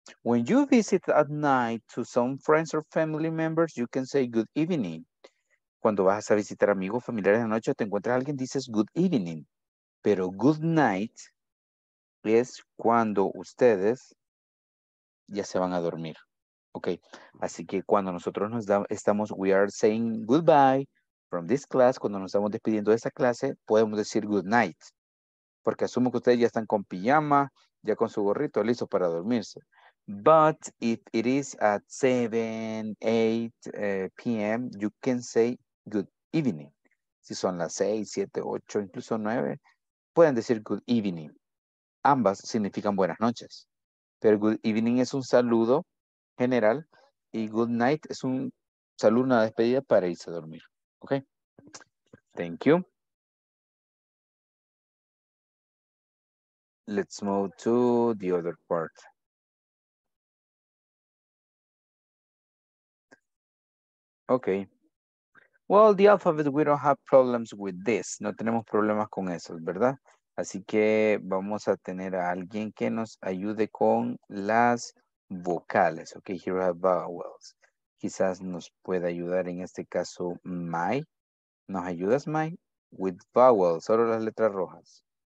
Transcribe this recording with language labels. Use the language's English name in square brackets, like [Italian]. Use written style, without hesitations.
[English] When you visit at night to some friends or family members, you can say good evening. [Spanish] Cuando vas a visitar amigos, familiares de noche, te encuentras a alguien, dices good evening. Pero good night es cuando ustedes ya se van a dormir. Ok. Así que cuando nosotros estamos, [English] we are saying goodbye from this class, [Spanish] cuando nos estamos despidiendo de esta clase, podemos decir good night. Porque asumo que ustedes ya están con pijama, ya con su gorrito, listo para dormirse. [English] But if it is at 7, 8 p.m., you can say good evening. [Spanish] Si son las 6, 7, 8, incluso 9, pueden decir good evening. Ambas significan buenas noches. Pero good evening es un saludo general y good night es un saludo, una despedida para irse a dormir. [English] Ok. Thank you. Let's move to the other part. Ok. Well, the alphabet, we don't have problems with this. [Spanish] No tenemos problemas con eso, ¿verdad? Así que vamos a tener a alguien que nos ayude con las vocales. [English] Okay, here we have vowels. [Spanish] Quizás nos pueda ayudar en este caso, Mai. ¿Nos ayudas, Mai? [English] With vowels, [Spanish] solo las letras rojas.